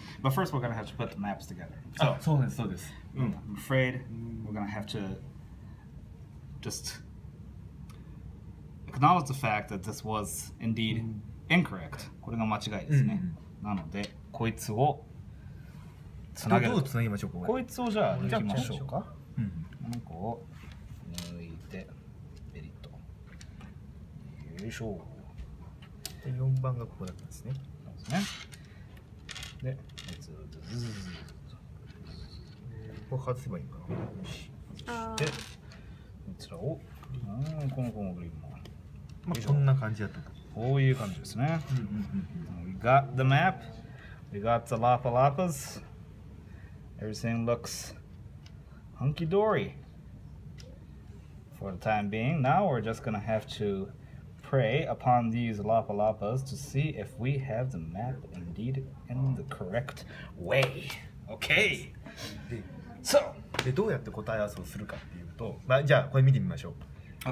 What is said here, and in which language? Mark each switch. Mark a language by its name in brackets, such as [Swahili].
[English] But first we're going to have to put the maps together. So, ah, so this. I'm afraid we're going to have to just acknowledge the fact that this was indeed incorrect. [Japanese] これが間違いですね。なのでこいつをつなげる。どうつなぎましょうか。こいつをじゃあ抜きましょうか。この子を抜いてベリッと。よいしょ。で4番がここだったんですね。そうですね。で、ずっとずっと。ここ外せばいいかな。で、こちらを、このコングリーンも。まあ、こんな感じだったか。こういう感じですね。 [English] We got the map. We got the Lapa Lapas. Everything looks hunky dory. For the time being, now we're just gonna have to. Pray upon these Lapa Lapas to see if we have the map indeed in the correct way. Okay. So, [Japanese] でどうやって答え合わせをするかっていうと、まあ、じゃあこれ見てみましょう。